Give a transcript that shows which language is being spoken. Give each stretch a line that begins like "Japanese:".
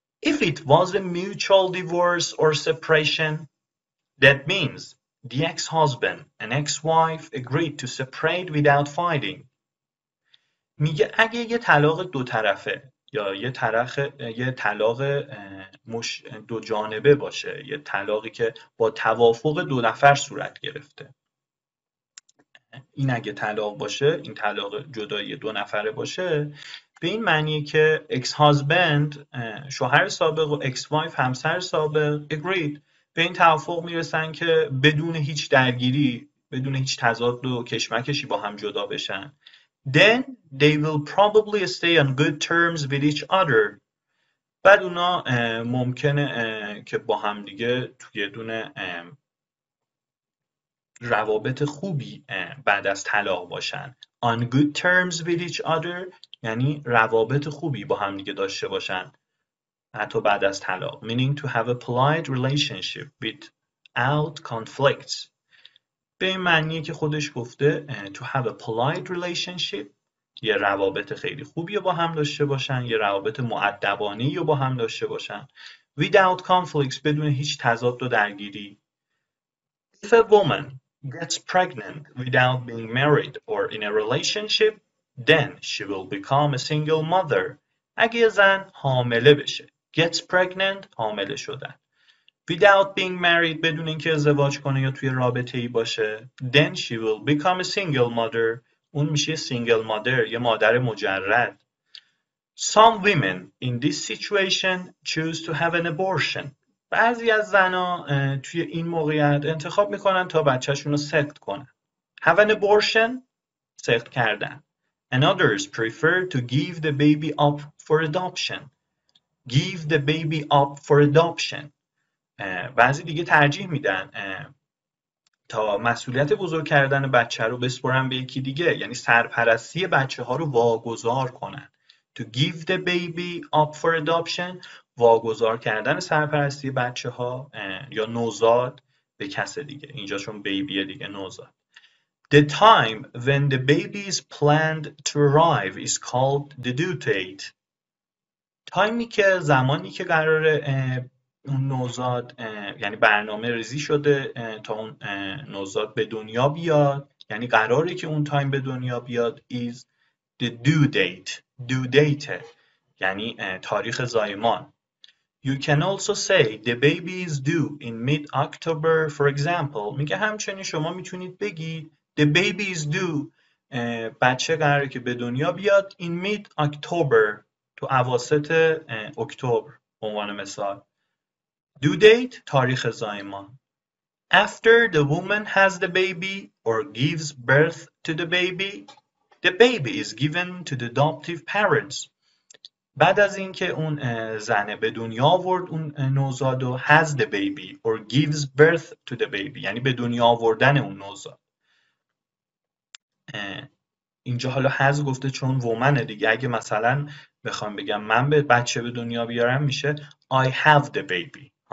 English: If it was a mutual divorce or separation, that means the ex-husband and ex-wife agreed to separate without fighting.
Persian: میگه اگه یه طلاق دو طرفه یا یه طلاق دو جانبه باشه، یه طلاقی که با توافق دو نفر صورت گرفته، این اگه طلاق باشه، این طلاق جدایی دو نفره باشه، به این معنی که اکس هازبند شوهر سابق و اکس وایف همسر سابق اگرید به این توافق میرسن که بدون هیچ درگیری، بدون هیچ تضاد و کشمکشی با هم جدا بشن.
English: Then they will probably stay on good terms with each other.
Persian: بعد اونا ممکنه که با هم دیگه توی یه دونه روابط خوبی بعد از طلاق باشن. On good terms with each other یعنی روابط خوبی با هم دیگه داشته باشن حتی بعد از طلاق.
English: Meaning to have a polite relationship without conflicts.
Persian: به این معنی که خودش گفته to have a polite relationship، یه روابط خیلی خوبی با هم داشته باشن، یه روابط مؤدبانه رو با هم داشته باشن. Without conflicts، بدون هیچ تضاد و درگیری.
English: If a woman gets pregnant without being married or in a relationship, then she will become a single mother.
Persian: اگه زن حامله بشه، gets pregnant، حامله شدن، without being married، بدون اینکه ازدواج کنه یا توی رابطه ای باشه، then she will become a single mother، اون میشه single mother، یه مادر مجرد.
English: Some women in this situation choose to have an abortion.
Persian: بعضی از زنها توی این موقعیت انتخاب میکنن تا بچهشون رو سقط کنن.
English: Have an abortion، سقط کردن. And others prefer to give the baby up for adoption. Give the baby up for adoption.
Persian: بعضی دیگه ترجیح میدن تا مسئولیت بزرگ کردن بچه رو بسپرن به یکی دیگه، یعنی سرپرستی بچه ها رو واگذار کنن. To give the baby up for adoption، واگذار کردن سرپرستی بچه ها یا نوزاد به کس دیگه، اینجا چون بیبی دیگه نوزاد.
English: The time when the baby is planned to arrive is called the due date.
Persian: تایمی که زمانی که قراره اون نوزاد، یعنی برنامه ریزی شده تا اون نوزاد به دنیا بیاد، یعنی قراره که اون تایم به دنیا بیاد، is the due date. Due date یعنی تاریخ زایمان.
English: You can also say the baby is due in mid-October for example.
Persian: میگه همچنین شما میتونید بگید the baby is due، بچه قراره که به دنیا بیاد in mid-October، تو اواسط اکتبر به عنوان مثال.
English: Due date، تاریخ زایمان. After the woman has the baby or gives birth to the baby is given to the adoptive parents.
Persian: بعد از اینکه اون زنه به دنیا آورد اون نوزادو، has the baby or gives birth to the baby یعنی به دنیا آوردن اون نوزاد. اینجا حالا has گفته چون وومنه دیگه، اگه مثلا بخوام بگم من به بچه به دنیا بیارم میشه I have the baby.